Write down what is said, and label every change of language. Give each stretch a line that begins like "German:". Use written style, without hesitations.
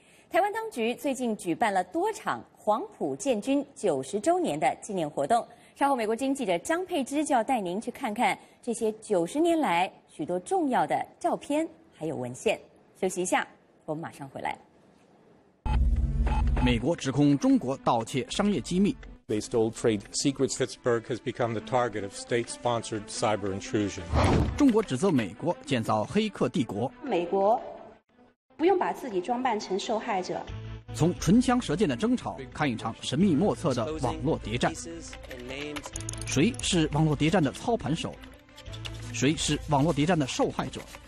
Chinese: 台湾当局最近举办了多场黄埔建军90周年的纪念活动，稍后美国之音记者张佩芝就要带您去看看这些90年来许多重要的照片还有文献。休息一下，我们马上回来。美国指控中国盗窃商业机密。
English: They stole trade secrets. Pittsburgh has become the target of state-sponsored cyber intrusion.
Chinese: 中国指责美国建造黑客帝国。美国不用把自己装扮成受害者。从唇枪舌剑的争吵看一场神秘莫测的网络谍战。谁是网络谍战的操盘手？谁是网络谍战的受害者？